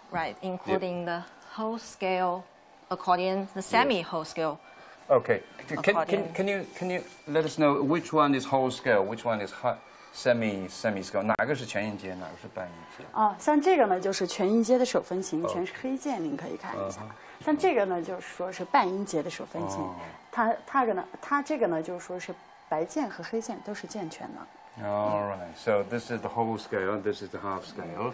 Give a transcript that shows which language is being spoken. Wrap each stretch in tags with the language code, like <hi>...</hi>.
<en>Right, including the whole scale accordion, the semi whole scale. Okay, can you let us know which one is whole scale, which one is semi scale?</en> <zh>哪个是全音阶，哪个是半音阶？啊，像这个呢，就是全音阶的手风琴，全是黑键，您可以看一下。像这个呢，就是说是半音阶的手风琴，它这个呢，就是说是。白键和黑键都是健全的。</zh> <en>All right, so this is the whole scale, this is the half scale.</en>